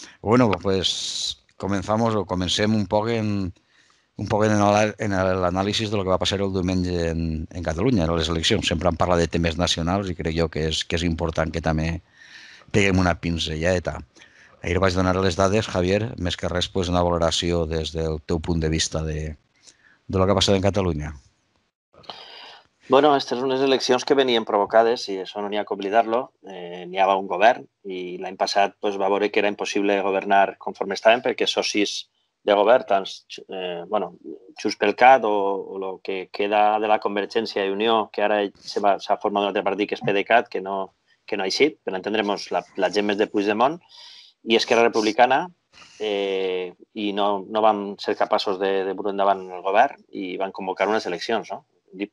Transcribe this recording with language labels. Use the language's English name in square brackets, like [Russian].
[Catalan] Bueno, [Spanish] pues comencemos un poco [Catalan] en l'anàlisi de lo que va passar el diumenge en Catalunya, en les eleccions. Sempre en parla de temes nacionals i crec jo que és important que també peguem una pinzelleta. Ahir vaig donar les dades, Javier, més que res, pues, una valoració des del teu punt de vista de lo que ha passat en Catalunya. [Spanish] Bueno, estas son unas elecciones que venían provocadas y eso no había que olvidarlo. Ni había un gobierno y el año pasado pues, va a ver que era imposible gobernar conforme estaban porque [Catalan] socis de govern, tant, bueno, Junts pel Cat o lo que queda de la Convergència i Unió, que ara s'ha format un altre partit, que és PDeCAT, que no ha eixit, però entendrem la gent més de Puigdemont, i Esquerra Republicana, i no van ser capaços de portar endavant el govern i van convocar unes eleccions. No?